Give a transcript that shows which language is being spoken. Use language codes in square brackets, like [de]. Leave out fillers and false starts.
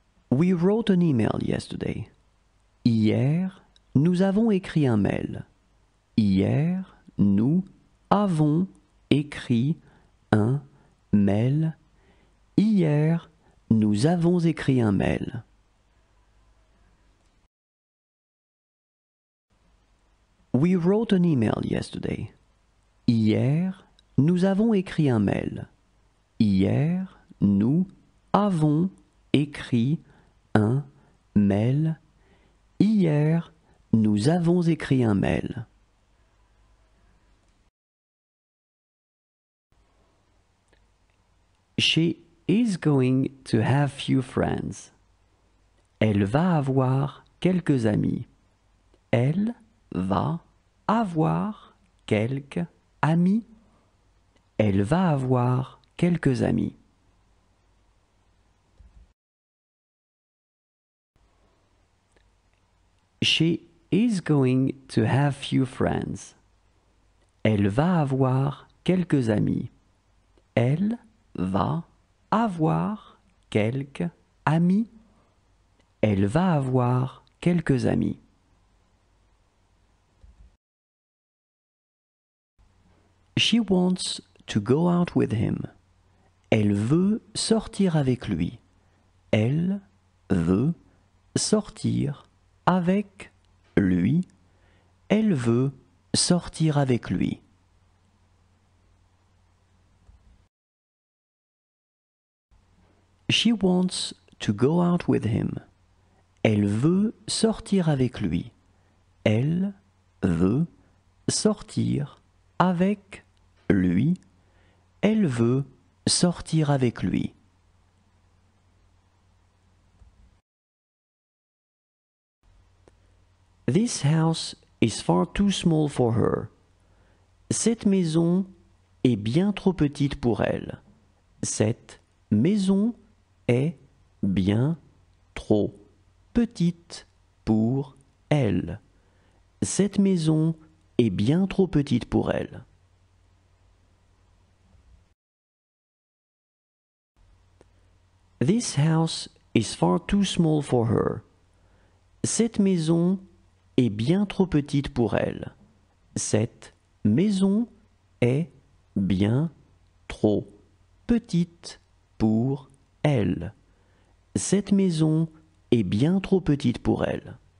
[en] We wrote an email yesterday. [fr] Hier, nous avons écrit un mail. Hier, nous avons écrit un mail. Hier, nous avons écrit un mail. [en] We wrote an email yesterday. [fr] Hier, nous avons écrit un mail. Hier, nous avons écrit un mail. Hier, nous avons écrit un mail. [en] She is going to have few friends. [fr] Elle va avoir quelques amis. Elle va avoir quelques amis. Elle va avoir quelques amis. [en] She is going to have few friends. [fr] Elle va avoir quelques amis. Elle va avoir quelques amis. Elle va avoir quelques amis. [en] She wants to go out with him. [fr] Elle veut sortir avec lui. Elle veut sortir avec lui. Elle veut sortir avec lui. [en] She wants to go out with him. [fr] Elle veut sortir avec lui. Elle veut sortir avec lui. Elle veut sortir avec lui. [en] This house is far too small for her. [fr] Cette maison est bien trop petite pour elle. Cette maison est bien trop petite pour elle. Cette maison est bien trop petite pour elle. [en] This house is far too small for her. [fr] Cette maison est bien trop petite pour elle. Cette maison est bien trop petite pour elle. Cette maison est bien trop petite pour elle.